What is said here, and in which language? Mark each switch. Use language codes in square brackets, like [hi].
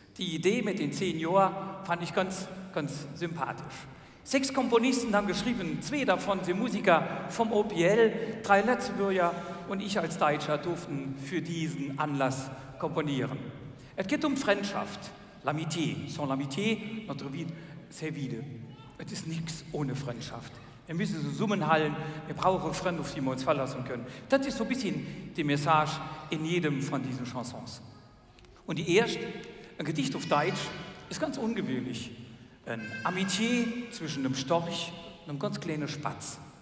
[de] Die Idee mit den 10 Jahren fand ich ganz, ganz sympathisch. 6 Komponisten haben geschrieben, 2 davon sind Musiker vom OPL, 3 Lützburger und ich als Deutscher durften für diesen Anlass komponieren. Es geht um Freundschaft, l'amitié. [fr] Sans l'amitié, notre vie c'est vide. [de] Es ist nichts ohne Freundschaft. Wir müssen zusammenhalten, wir brauchen Freunde, auf die wir uns verlassen können. Das ist so ein bisschen die Message in jedem von diesen Chansons. Und die erste, ein Gedicht auf Deutsch, ist ganz ungewöhnlich. Ein Amitié zwischen einem Storch und einem ganz kleinen Spatz.